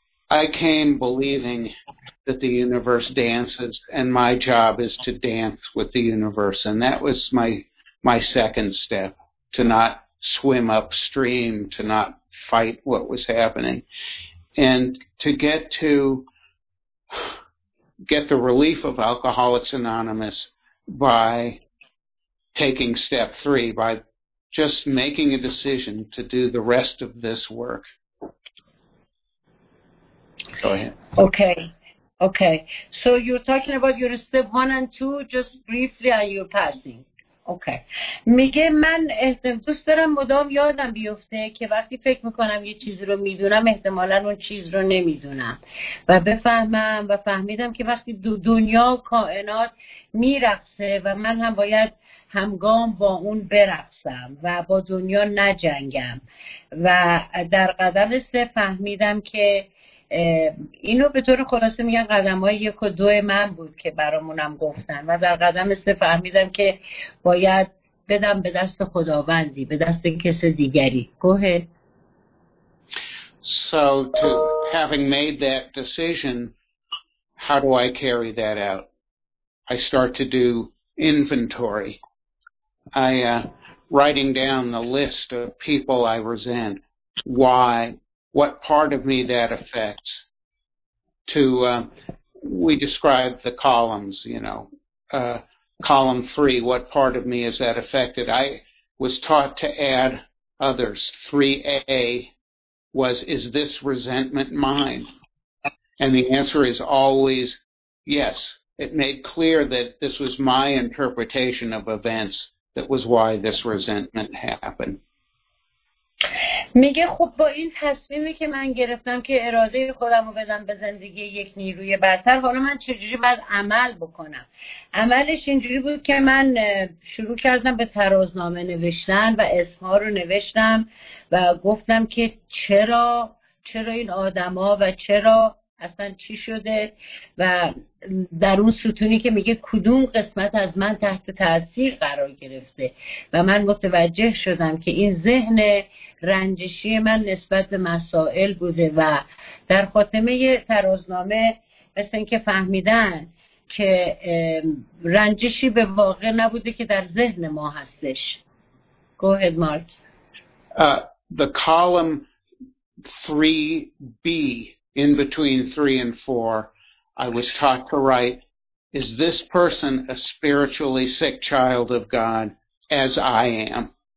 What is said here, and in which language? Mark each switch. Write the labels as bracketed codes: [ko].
[en] I came believing that the universe dances and my job is to dance with the universe, and that was my second step, to not swim upstream, to not fight what was happening, and to get the relief of Alcoholics Anonymous by taking step three, by just making a decision to do the rest of this work. Go ahead. Okay. So you're talking about your step one and two, just briefly, are you passing? Okay. [fa] میگه من احتمال دوست دارم مدام یادم بیفته که وقتی فکر میکنم یه چیزی رو میدونم احتمالاً اون چیز رو نمیدونم و بفهمم. و فهمیدم که وقتی دنیا کائنات میرقصه و من هم باید همگام با اون برقصم و با دنیا نجنگم. و در قدم سه فهمیدم که اینو به طور خلاصه میگن قدم‌های 1 و 2 من بود که برامونم گفتن. و در قدم 3 فهمیدم که باید بدم به دست خداوندی، به دست کس دیگری. [en] گوهه. So to having made that decision, how do I carry that out? I start to do inventory. I writing down the list of people I resent. Why? What part of me that affects? We describe the columns, you know. Column 3, what part of me is that affected? I was taught to add others. 3A was, is this resentment mine? And the answer is always yes. It made clear that this was my interpretation of events that was why this resentment happened. [fa] میگه خب با این تصمیمی که من گرفتم که اراده خودم رو بدم به زندگی یک نیروی برتر، حالا من چجوری باید عمل بکنم؟ عملش اینجوری بود که من شروع کردم به ترازنامه نوشتن و اسمها رو نوشتم و گفتم که چرا این آدم ها و چرا اصلا چی شده، و در اون ستونی که میگه کدوم قسمت از من تحت تاثیر قرار گرفته، و من متوجه شدم که این ذهن رنجشی من نسبت به مسائل بوده. و در خاتمه ترازنامه مثل این که فهمیدن که رنجشی به واقع نبوده که در ذهن ما هستش. [en] Go ahead, Mark. The column 3B in between 3 and 4 I was taught to write, is this person a spiritually sick child of God as I am?